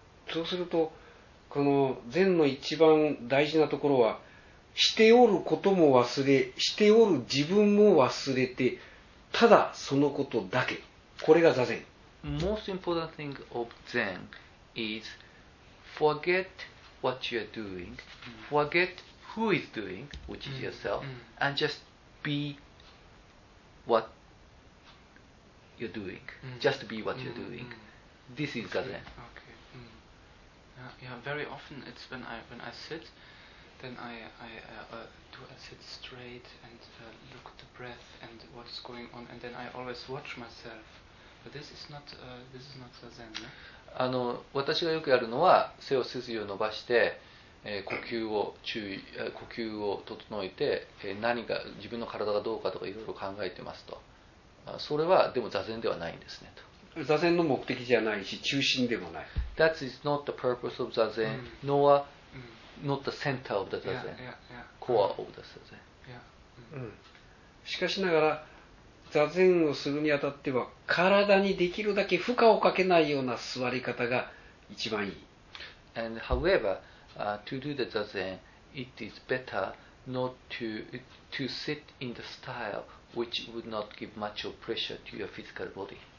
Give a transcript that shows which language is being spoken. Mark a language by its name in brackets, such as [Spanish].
[Japanese] そうするとこの禅の一番大事なところはしておることも忘れ、しておる自分も忘れて、ただそのことだけ。これが座禅。 [English] Most important thing of Zen is forget what you are doing, forget who is doing, which is yourself, and just be what you're doing. Just be what you're doing. This is Zazen. Okay. Yeah, very often it's when I sit, then I sit straight and look at the breath and what's going on, and then I always watch myself. But this is not Zazen, no? [Japanese] 私がよくやるのは背を背筋を伸ばして、呼吸を整えて、何か自分の体がどうかとかいろいろ考えてますと、それはでも座禅ではないんですねと。座禅の目的じゃないし中心でもない。 [English] That is not the purpose of 座禅、nor not the center of the 座禅、core of the 座禅、 [Japanese] しかしながら座禅をするにあたっては体にできるだけ負荷をかけないような座り方が一番いい。 [English] And however, to do the zazen, it is better not to sit in the style which would not give much of pressure to your physical body.